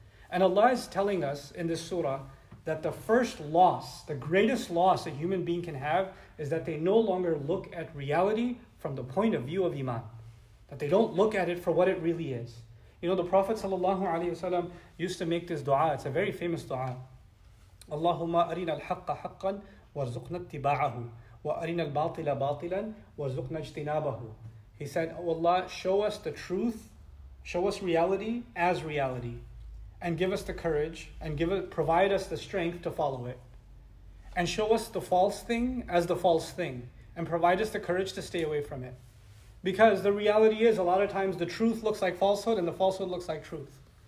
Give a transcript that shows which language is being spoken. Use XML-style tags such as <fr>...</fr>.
<en>And Allah is telling us in this surah that the first loss, the greatest loss a human being can have, is that they no longer look at reality from the point of view of Iman. That they don't look at it for what it really is. You know, the Prophet ﷺ used to make this dua. It's a very famous dua.</en> <ar>اللهم أرنا الحق حقا وارزقنا اتباعه وأرنا الباطل باطلا وارزقنا اجتنابه.</ar> <en>He said, O Allah, show us the truth, show us reality as reality, and give us the courage, and provide us the strength to follow it. And show us the false thing as the false thing, and provide us the courage to stay away from it. Because the reality is, a lot of times the truth looks like falsehood, and the falsehood looks like truth.</en>